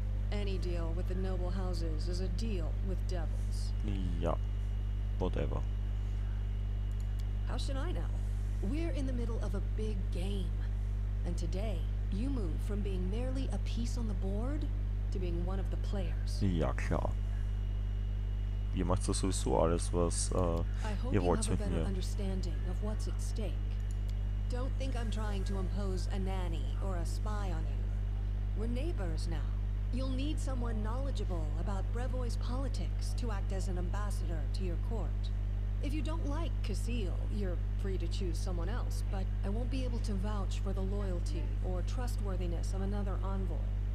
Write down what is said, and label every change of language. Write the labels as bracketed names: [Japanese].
[English] Any deal with the noble houses is a deal with devils. Yeah, whatever. How should I know? We're in the middle of a big game. And today, you move from being merely a piece on the board to being one of the players. [German] Ja, klar. Ihr macht doch sowieso alles, was ihr wollt mit mir. [English] I hope you have a better understanding of what's at stake. Don't think I'm trying to impose a nanny or a spy on you. We're neighbors now. You'll need someone knowledgeable about Brevoy's politics to act as an ambassador to your court. If you don't like Cassiel, you're free to choose someone else, but I won't be able to vouch for the loyalty or trustworthiness of another envoy.